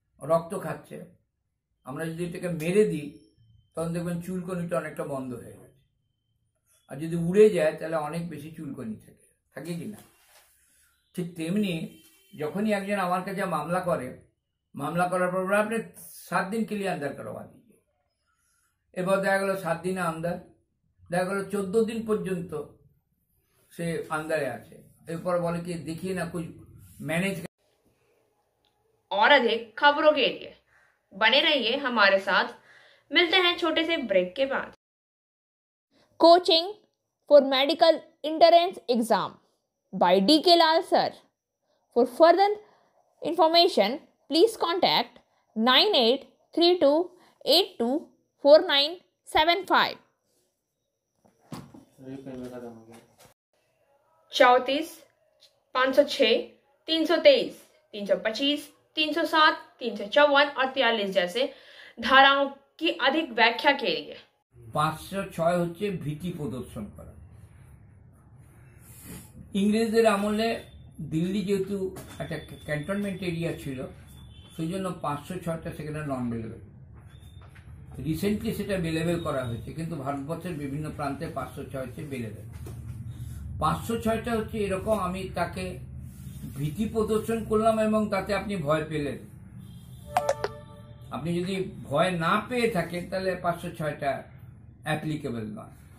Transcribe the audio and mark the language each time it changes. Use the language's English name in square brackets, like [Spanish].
[Bangla] রক্ত খাচ্ছে আমরা যদি এটাকে মেরে দিই তখন দেখবেন চুলকনিটা অনেকটা বন্ধ হয়ে গেছে আর যদি উড়ে যায় তাহলে অনেক বেশি চুলকনি থাকে থাকে কি না ঠিক তেমনি যখনই একজন আমার কাছে মামলা করে মামলা করার পর আপনি 7 দিন ক্লিয়ার করবা দিয়ে এবার দেখা গেলো 7 দিনে আন্দার দেখা গেলো 14 দিন পর্যন্ত সে আন্দারে আছে এরপর বলে কি দেখিয়ে না কুই ম্যানেজ [Hindi] और अधिक खबरों के लिए बने रहिए हमारे साथ मिलते हैं छोटे से ब्रेक के बाद [English] coaching for medical entrance exam by D K Lal sir for further information please contact 9832824975 [Hindi] 34, 506, 323, 325, 307, 354 और 43 जैसे धाराओं की अधिक व्याख्या के लिए [Bangla] 506 হচ্ছে ভীতি প্রদর্শন করা ইংরেজদের আমলে দিল্লি যেহেতু একটা ক্যান্টনমেন্ট এরিয়া ছিল সেই জন্য 506টা সেখানে নন বেলেবেল রিসেন্টলি সেটা বেলেবেল করা হয়েছে কিন্তু ভারতবর্ষের বিভিন্ন প্রান্তে 506 হচ্ছে বেলেবেল 506টা হচ্ছে এরকম আমি তাকে ভীতি প্রদর্শন করলাম এবং তাতে আপনি ভয় পেলেন আপনি যদি ভয় না পেয়ে থাকেন তাহলে 506টা অ্যাপ্লিকেবল নয়